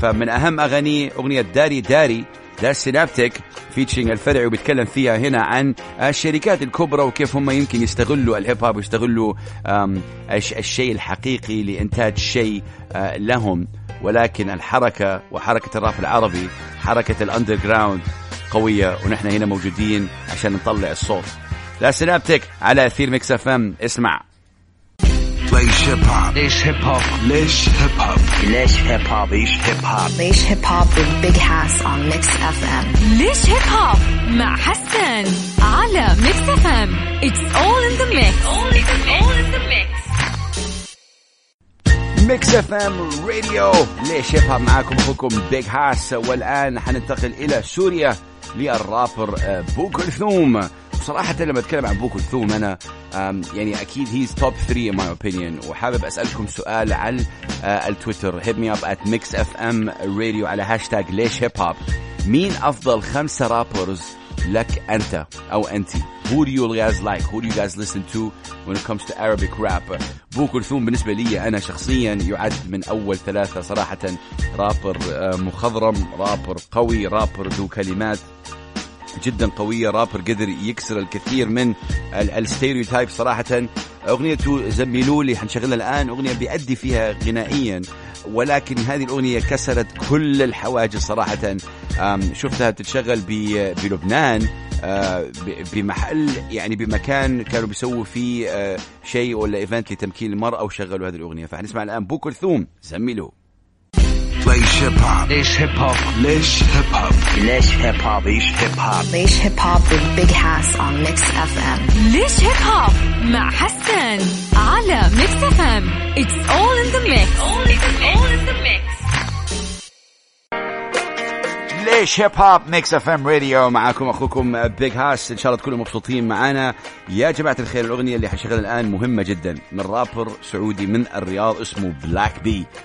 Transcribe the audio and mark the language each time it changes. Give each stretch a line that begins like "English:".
Arabic: فمن أهم أغاني أغنية داري داري That's Synaptic featuring الفرعي, وبيتكلم فيها هنا عن الشركات الكبرى وكيف هم يمكن يستغلوا الهيب هوب ويستغلوا الشيء الحقيقي لإنتاج شيء لهم, ولكن الحركة وحركة الراب العربي حركة الأندرغراوند قوية, ونحن هنا موجودين عشان نطلع الصوت. That's Synaptic على أثير Mix FM. اسمع ليش هيب هوب ليش هيب هوب ليش هيب هوب ليش هيب هوب
English: ليش hip hop ليش hip hop with Big Hass on Mix FM.
Arabic: ليش هيب هوب مع حسن على Mix FM.
English: It's all in the mix.
Arabic: ميكس اف ام راديو ليش هيب هوب معاكم اخوكم بيج هاس. والان حننتقل الى سوريا للرابر بو كلثوم. صراحة لما اتكلم عن بو كلثوم انا يعني اكيد هيز توب 3
English: in my opinion.
Arabic: وحابب اسالكم سؤال على التويتر, هيب مي اب ات ميكس اف ام راديو على هاشتاج ليش هيب هوب. مين افضل خمسة رابرز لك انت او انتي؟
English: Who do you guys like? Who do you guys listen to when it comes to Arabic rap?
Arabic: بو كلثوم بالنسبة لي أنا شخصيا يعد من أول ثلاثة صراحة. رابر مخضرم, رابر قوي, رابر ذو كلمات جدا قوية, رابر قدر يكسر الكثير من الستيريوتايب صراحة. أغنية زميلولي حنشغلها الآن, أغنية بيأدي فيها غنائيا ولكن هذه الأغنية كسرت كل الحواجز صراحة. شفتها تتشغل بلبنان بمحل يعني بمكان كانوا بيسووا فيه شيء ولا إيفنت لتمكين المرأة وشغلوا هذه الأغنية. فحنسمع الآن بو كلثوم زميلو. ليش هيب هوب, ليش هيب هوب, ليش هيب هوب, ليش هيب هوب, ليش هيب هوب,
English: ليش hip hop with Big Hass on Mix FM.
Arabic: ليش هيب هوب مع حسن على Mix FM.
English: It's all in the mix.
Arabic: ليش هيب هوب ميكس اف ام راديو معاكم اخوكم بيج هاس. ان شاء الله تكونوا مبسوطين معانا يا جماعه الخير. الاغنيه اللي حشغل الان مهمه جدا من رابر سعودي من الرياض اسمه بلاك بي.